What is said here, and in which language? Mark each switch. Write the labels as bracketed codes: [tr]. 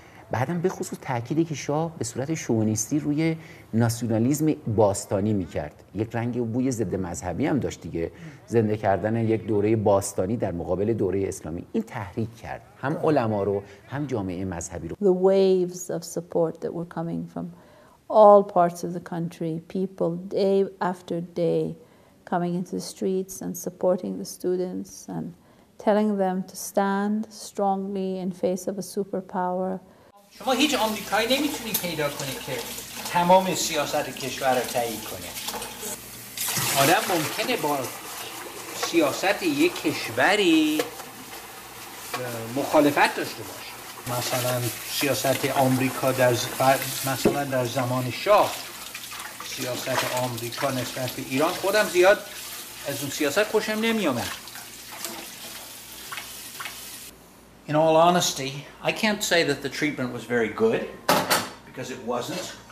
[fa] بعدم به خصوص تأکیدی که شاه به صورت شوونیستی روی ناسیونالیزم باستانی میکرد، یک رنگ و بوی ضد مذهبی هم داشت دیگه، زنده کردن یک دوره باستانی در مقابل دوره اسلامی. این تحریک کرد هم علما رو هم جامعه مذهبی رو. [en] The waves of support that were coming from all parts of the country, people day after day coming into the streets and supporting the students and telling them to stand strongly in face of a superpower. [fa] شما هیچ آمریکایی نمیتونی پیدا کنی که تمام سیاست کشور رو تایید کنه. آدم ممکنه با سیاست یک کشوری مخالفت داشته باشه. مثلا سیاست آمریکا در زمان شاه، سیاست آمریکا نسبت به ایران، خودم زیاد از اون سیاست خوشم نمیومد. [en] In all honesty, I can't say that the treatment was very good, because it wasn't.